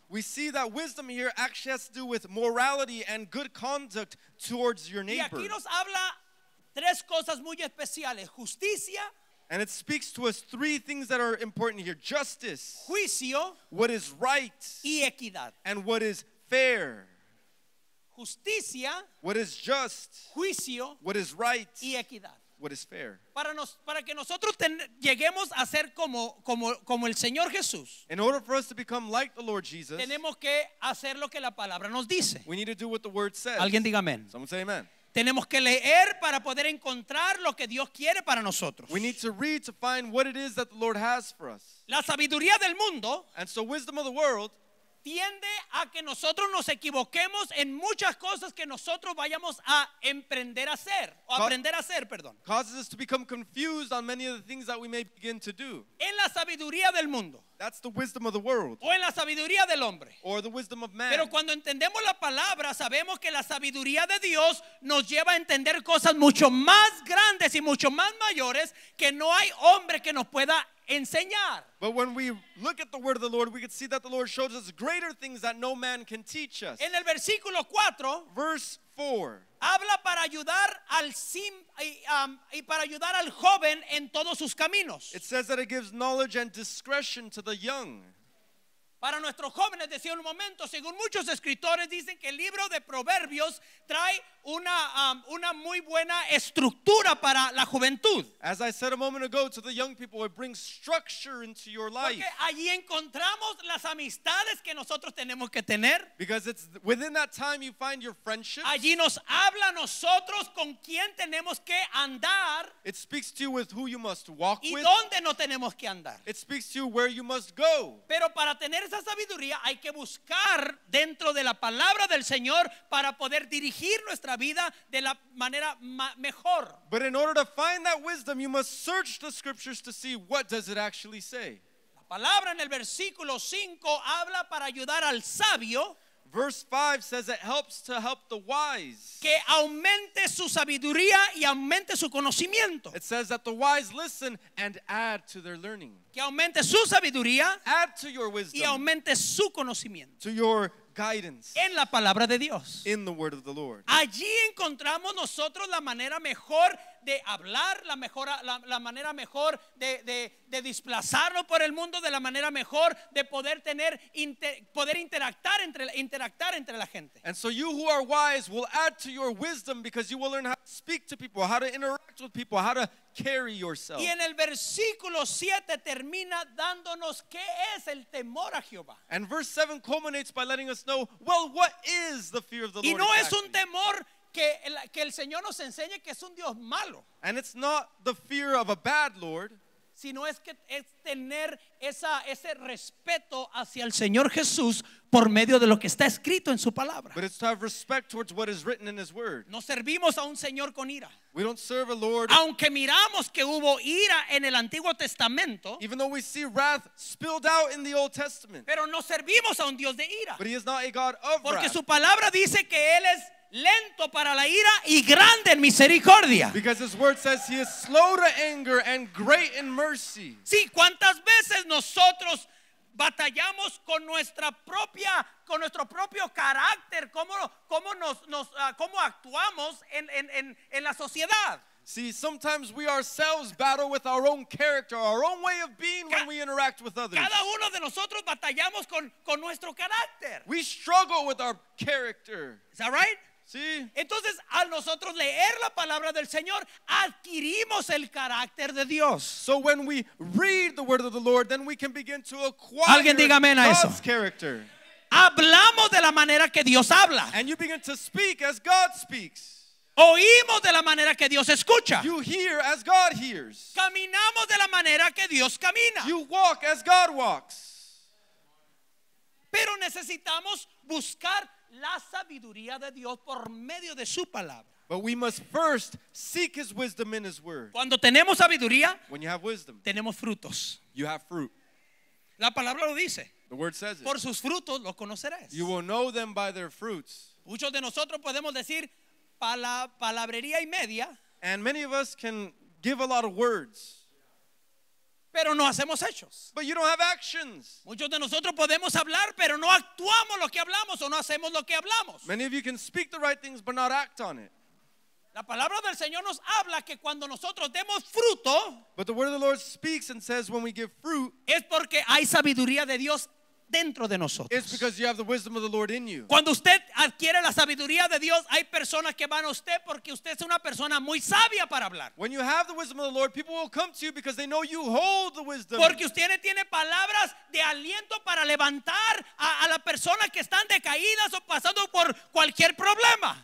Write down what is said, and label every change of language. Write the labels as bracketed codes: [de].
[en] We see that wisdom here actually has to do with morality and good conduct towards your neighbor. [es] Y aquí nos habla tres cosas muy especiales: justicia. [en] And it speaks to us three things that are important here: justice, [es] juicio, [en] what is right, [es] y equidad, [en] and what is fair. [es] Justicia, [en] what is just, [es] juicio, [en] what is right, [es] y equidad. [en] What is fair. [es] Para que nosotros lleguemos a ser como el Señor Jesús. [en] In order for us to become like the Lord Jesus. [es] Tenemos que hacer lo que la palabra nos dice. [en] We need to do what the word says. [es] Alguien diga amén. [en] Someone say amen. [es] Tenemos que leer para poder encontrar lo que Dios quiere para nosotros. [en] We need to read to find what it is that the Lord has for us. [es] La sabiduría del mundo. [en] And so wisdom of the world. [es] Tiende a que nosotros nos equivoquemos en muchas cosas que nosotros vayamos a emprender a hacer o aprender a hacer, perdón. [en] Causes us to become confused on many of the things that we may begin to do. [es] En la sabiduría del mundo. [en] That's the wisdom of the world. [es] O en la sabiduría del hombre. [en] Or the wisdom of man. [es] Pero cuando entendemos la palabra, sabemos que la sabiduría de Dios nos lleva a entender cosas mucho más grandes y mucho más mayores que no hay hombre que nos pueda enseñar. [en] But when we look at the word of the Lord, we can see that the Lord shows us greater things that no man can teach us. [es] En el versículo 4, [en] verse 4, [es] habla para ayudar al y para ayudar al joven en todos sus caminos. [en] It says that it gives knowledge and discretion to the young. [es] Para nuestros jóvenes, decía un momento, según muchos escritores dicen que el libro de Proverbios trae una muy buena estructura para la juventud. [en] As I said a moment ago, to the young people, it brings structure into your life. [es] Porque allí encontramos las amistades que nosotros tenemos que tener. [en] Because it's within that time you find your friendships. [es] Allí nos habla nosotros con quién tenemos que andar. [en] It speaks to you with who you must walk [es] y [en] with. [es] Y dónde no tenemos que andar. [en] It speaks to you where you must go. [es] Pero para tener esa sabiduría hay que buscar dentro de la palabra del Señor para poder dirigir nuestra nuestra vida de la manera mejor. [en] But in order to find that wisdom, you must search the scriptures to see what does it actually say. [es] La palabra en el versículo 5 habla para ayudar al sabio. [en] Verse 5 says it helps to help the wise. [es] Que aumente su sabiduría y aumente su conocimiento. [en] It says that the wise listen and add to their learning. [es] Que aumente su sabiduría. [en] Add to your wisdom. [es] Y aumente su conocimiento. [en] To your guidance. [es] En la palabra de Dios. [en] In the word of the Lord. [es] Allí encontramos nosotros la manera mejor de hablar, la manera mejor de desplazarlo por el mundo, de la manera mejor de poder tener poder interactuar entre la gente. [en] And so you who are wise will add to your wisdom because you will learn how to speak to people, how to interact with people, how to carry yourself. [es] Y en el versículo 7 termina dándonos qué es el temor a Jehová. [en] And verse 7 culminates by letting us know, well, what is the fear of the Lord? [es] Y no es un temor que el Señor nos enseñe que es un Dios malo. [en] And it's not the fear of a bad Lord. [es] Sino es que es tener ese respeto hacia el Señor Jesús por medio de lo que está escrito en su palabra. [en] But it's to have respect towards what is written in his word. [es] No servimos a un Señor con ira. [en] We don't serve a Lord. [es] Aunque miramos que hubo ira en el Antiguo Testamento. [en] Even though we see wrath spilled out in the Old Testament. [es] Pero no servimos a un Dios de ira. [en] But he is not a God of wrath. [es] Porque su palabra dice que él es lento para la ira y grande en misericordia. [en] Because his word says he is slow to anger and great in mercy. [es] Sí, ¿cuántas veces nosotros batallamos con nuestro propio carácter, cómo actuamos en la sociedad? [en] See, sometimes we ourselves battle with our own character, our own way of being when we interact with others. [es] Cada uno de nosotros batallamos con nuestro carácter. [en] We struggle with our character. Is that right? [es] Sí. Entonces, al nosotros leer la palabra del Señor, adquirimos el carácter de Dios. [en] So when we read the word of the Lord, then we can begin to acquire God's character. [es] Hablamos de la manera que Dios habla. [en] And you begin to speak as God speaks. [es] Oímos de la manera que Dios escucha. [en] You hear as God hears. [es] Caminamos de la manera que Dios camina. [en] You walk as God walks. [es] Pero necesitamos buscar la sabiduría de Dios por medio de su palabra. [en] But we must first seek his wisdom in his word. [es] Cuando tenemos sabiduría, [en] when you have wisdom, [es] tenemos frutos. [en] You have fruit. [es] La palabra lo dice. [en] The word says it. [es] Por sus frutos los conoceréis. [en] You will know them by their fruits. [es] Muchos de nosotros podemos decir palabrería y media. [en] And many of us can give a lot of words. [es] Pero no hacemos hechos. [en] But you don't have actions. [es] Muchos de nosotros podemos hablar, pero no actuamos lo que hablamos o no hacemos lo que hablamos. [en] Many of you can speak the right things but not act on it. [es] La palabra del Señor nos habla que cuando nosotros demos fruto, [en] but the word of the Lord speaks and says when we give fruit, [es] es porque hay sabiduría de Dios dentro de nosotros. [en] It's because you have the wisdom of the Lord in you. [es] Cuando usted adquiere la sabiduría de Dios, hay personas que van a usted porque usted es una persona muy sabia para hablar. [en] When you have the wisdom of the Lord, people will come to you because they know you hold the wisdom. [es] Porque usted tiene palabras de aliento para levantar a la persona que están decaídas o pasando por cualquier problema.